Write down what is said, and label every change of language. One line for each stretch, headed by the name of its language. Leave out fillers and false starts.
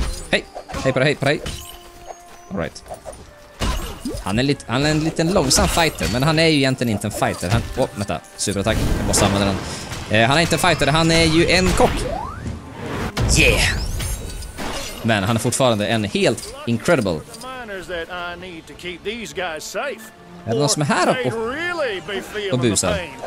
Swedish: Hej, hej på dig, hej på dig.
English: All right.
Swedish: Han är en liten långsam fighter, men han är ju egentligen inte en fighter. Vänta, superattack, jag måste använda den. Han är inte en fighter, han är ju en kock. Yeah! Men han är fortfarande en helt incredible...
English: that I need to keep these guys safe.
Swedish: Är det någon som är här och busar?